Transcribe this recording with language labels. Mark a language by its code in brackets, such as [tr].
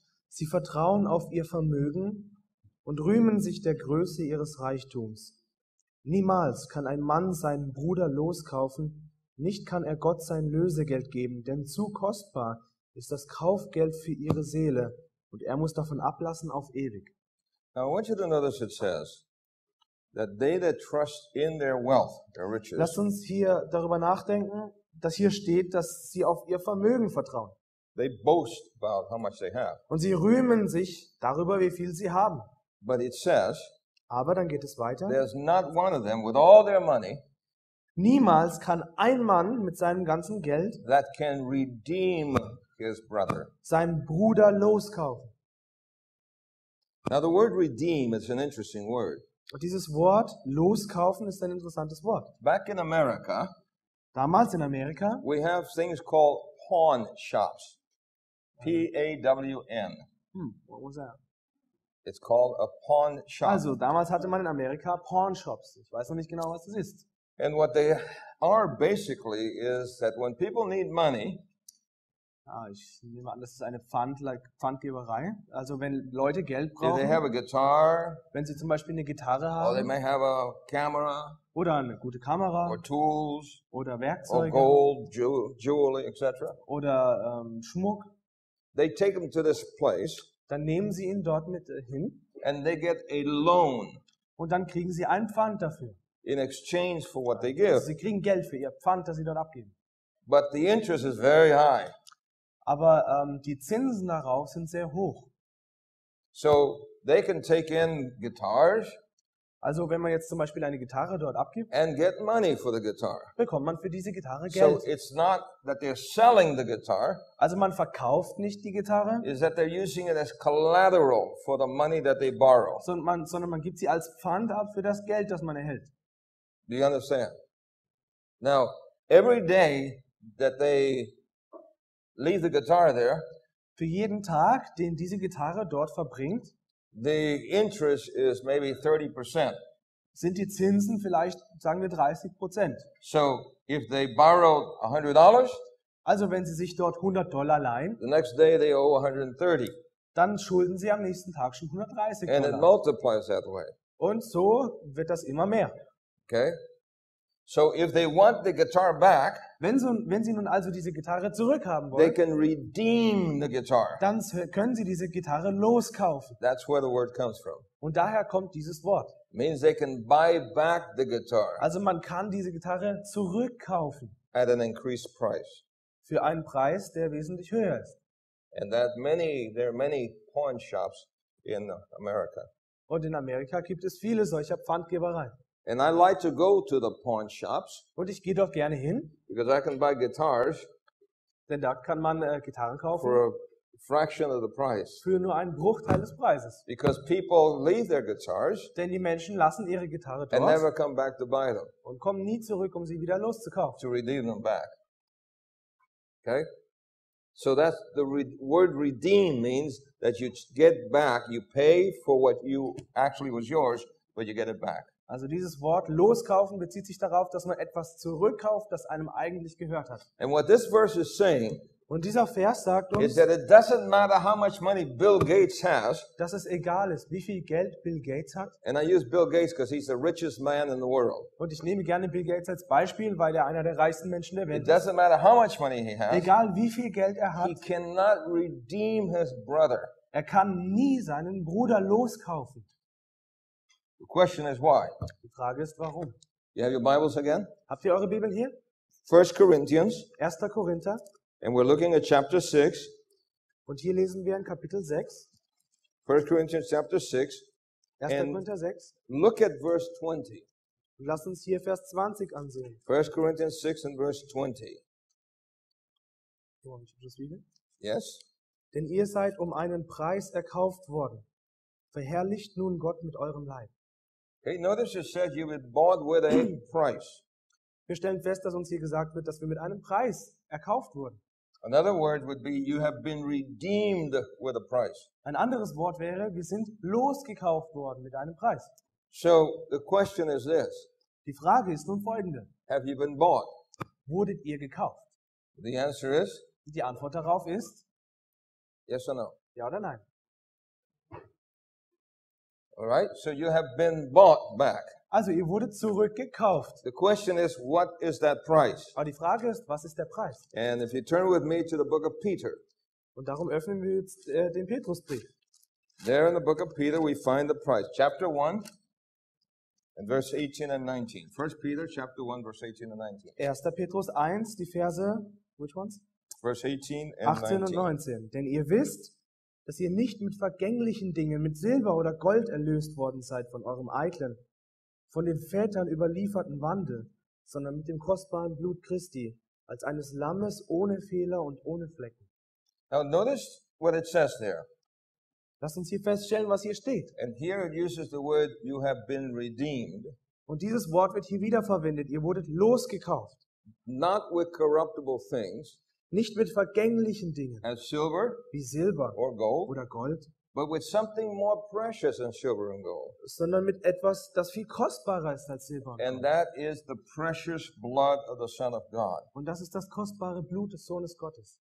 [de] Sie vertrauen auf ihr Vermögen und rühmen sich der Größe ihres Reichtums. Niemals kann ein Mann seinen Bruder loskaufen, nicht kann er Gott sein Lösegeld geben, denn zu kostbar ist das Kaufgeld für ihre Seele und er muss davon ablassen auf ewig. [en] Now I want you to notice it says that they that trust in their wealth, their riches. [de] Lass uns hier darüber nachdenken, dass hier steht, dass sie auf ihr Vermögen vertrauen. [en] They boast about how much they have. [de] Und sie rühmen sich darüber, wie viel sie haben. [en] But it says, [de] aber dann geht es weiter. [en] There's not one of them with all their money. [de] Niemals kann ein Mann mit seinem ganzen Geld [en] that can redeem his brother. [de] Seinen Bruder loskaufen. [en] Now the word redeem is an interesting word. [de] Und dieses Wort loskaufen ist ein interessantes Wort. [en] Back in America, [de] damals in Amerika, [en] we have things called pawn shops. P-A-W-N. What was that? It's called a pawn shop. [de] Also, damals hatte man in Amerika pawn shops. Ich weiß noch nicht genau, was das ist. [en] And what they are basically is that when people need money, [de] ich nehme an, das ist eine Pfandgeberei. Also, wenn Leute Geld brauchen, [en] they have a guitar, [de] wenn sie zum Beispiel eine Gitarre haben, [en] or they may have a camera, [de] oder eine gute Kamera, [en] or tools, [de] oder Werkzeuge, [en] or gold, jewelry, etc., [de] oder Schmuck, [en] they take them to this place, [de] dann nehmen sie ihn dort mit hin, [en] and they get a loan, [de] und dann kriegen sie einen Pfand dafür. [en] In exchange for what they give. [de] Also, sie kriegen Geld für ihr Pfand, das sie dort abgeben. [en] But the interest is very high. [de] Aber die Zinsen darauf sind sehr hoch. [en] So they can take in guitars. [de] Also wenn man jetzt zum Beispiel eine Gitarre dort abgibt, [en] and get money for the guitar. [de] Bekommt man für diese Gitarre Geld. [en] So it's not that they're selling the guitar. [de] Also man verkauft nicht die Gitarre. [en] Is that they're using it as collateral for the money that they borrow. [de] Sondern man gibt sie als Pfand ab für das Geld, das man erhält. [en] Do you understand? Now every day that they leave the guitar there. [de] Für jeden Tag, den diese Gitarre dort verbringt, [en] The interest is maybe 30%. [de] Sind die Zinsen vielleicht, sagen wir, 30%? [en] So, if they borrow $100, [de] also wenn sie sich dort $100 leihen, [en] the next day they owe 130. [de] Dann schulden sie am nächsten Tag schon 130 [en] And [de] Dollar. [en] It multiplies that way. [de] Und so wird das immer mehr. [en] Okay. So if they want the guitar back, [de] wenn sie nun also diese Gitarre zurückhaben wollen, [en] they can redeem the guitar. [de] Dann können sie diese Gitarre loskaufen. [en] That's where the word comes from. [de] Und daher kommt dieses Wort. [en] Means they can buy back the guitar. [de] Also man kann diese Gitarre zurückkaufen. [en] At an increased price. [de] Für einen Preis, der wesentlich höher ist. [en] And that many, there are many pawn shops in America. [de] Und in Amerika gibt es viele solcher Pfandgebereien. [en] And I like to go to the pawn shops. [de] Und ich gehe doch gerne hin. [en] Because I can buy guitars. [de] Denn da kann man Gitarren kaufen. [en] For a fraction of the price. [de] Für nur einen Bruchteil des Preises. [en] Because people leave their guitars. [de] Denn die Menschen lassen ihre Gitarre dort. [en] And never come back to buy them. [de] Und kommen nie zurück, um sie wieder loszukaufen. [en] To redeem them back. Okay? So that's the word redeem means that you get back, you pay for what you actually was yours, but you get it back. [de] Also dieses Wort loskaufen bezieht sich darauf, dass man etwas zurückkauft, das einem eigentlich gehört hat. [en] And what this verse is saying, [de] und dieser Vers sagt uns, [en] is that it doesn't matter how much money Bill Gates has, [de] dass es egal ist, wie viel Geld Bill Gates hat. [en] And I use Bill Gates because he's the richest man in the world. [de] Und ich nehme gerne Bill Gates als Beispiel, weil er einer der reichsten Menschen der Welt ist. [en] It doesn't matter how much money he has, [de] egal wie viel Geld er hat, [en] he cannot redeem his brother. [de] Er kann nie seinen Bruder loskaufen. [en] The question is why? [de] Die Frage ist warum. [en] You have your Bibles again? [de] Habt ihr eure Bibel hier? [en] 1 Corinthians. [de] 1. Korinther. [en] And we're looking at chapter 6. [de] Und hier lesen wir in Kapitel 6. [en] 1 Corinthians chapter 6. [de] 1. Korinther 6. [en] Look at verse 20. [de] Und lass uns hier Vers 20 ansehen. [en] 1 Corinthians 6 and verse 20. [de] Wollen wir das wieder? [en] Yes. [de] Denn ihr seid um einen Preis erkauft worden. Verherrlicht nun Gott mit eurem Leib. [en] Hey, notice it said you were bought with a price. [de] Wir stellen fest, dass uns hier gesagt wird, dass wir mit einem Preis erkauft wurden. [en] Another word would be you have been redeemed with a price. [de] Ein anderes Wort wäre, wir sind losgekauft worden mit einem Preis. [en] So the question is this. [de] Die Frage ist nun folgende. [en] Have you been bought? [de] Wurdet ihr gekauft? [en] The answer is. [de] Die Antwort darauf ist. [en] Yes or no? [de] Ja oder nein? [en] All right, so you have been bought back. [de] Also, ihr wurdet zurückgekauft. [en] The question is, what is that price? [de] Aber die Frage ist, was ist der Preis? [en] And if you turn with me to the book of Peter. [de] Und darum öffnen wir jetzt den Petrusbrief. [en] There in the book of Peter we find the price. Chapter 1 and verse 18 and 19. 1 Peter chapter 1 verse 18 and 19. [de] 1. Petrus 1, die Verse, [en] which ones? Verse 18 and [de] 18 und 19. Denn ihr wisst, dass ihr nicht mit vergänglichen Dingen, mit Silber oder Gold erlöst worden seid von eurem eitlen, von den Vätern überlieferten Wandel, sondern mit dem kostbaren Blut Christi, als eines Lammes ohne Fehler und ohne Flecken. [en] Now notice what it says there. [de] Lasst uns hier feststellen, was hier steht. [en] And here it uses the word, you have been redeemed. [de] Und dieses Wort wird hier wieder verwendet, ihr wurdet losgekauft. [en] Not with corruptible things. [de] Nicht mit vergänglichen Dingen, [en] as silver, [de] wie Silber [en] or gold, [de] oder Gold, [en] but with something more precious than silver and gold, [de] sondern mit etwas, das viel kostbarer ist als Silber. [en] And that is the precious blood of the Son of God. [de] Und das ist das kostbare Blut des Sohnes Gottes.